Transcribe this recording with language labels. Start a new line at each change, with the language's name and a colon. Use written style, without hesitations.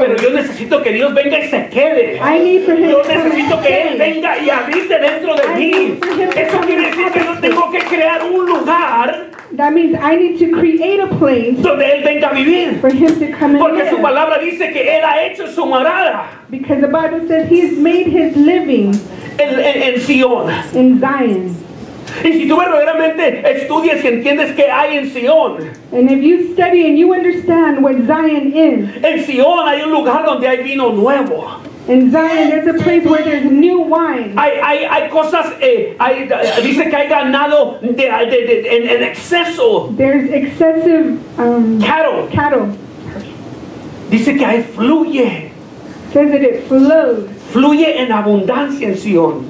Spanish: Pero yo necesito que Dios venga y se quede.
English: I need for him
Spanish: yo necesito que él venga y habite dentro de mí. Eso quiere decir que yo tengo que crear un lugar.
English: That means I need to create a place
Spanish: donde él venga a vivir.
English: For him to come and
Spanish: porque
English: live.
Spanish: Su palabra dice que él ha hecho su morada.
English: Because the Bible says he has made his living
Spanish: en Sion.
English: In Zion.
Spanish: Y si tú verdaderamente estudias y entiendes qué hay en Sion.
English: And if you study and you understand what Zion is.
Spanish: En Sion hay un lugar donde hay vino nuevo.
English: In Zion there's a place where there's new wine.
Spanish: Hay cosas hay, dice que hay ganado de en exceso.
English: There's excessive cattle.
Spanish: Dice que hay fluye.
English: Says that it flows.
Spanish: Fluye en abundancia en Sion.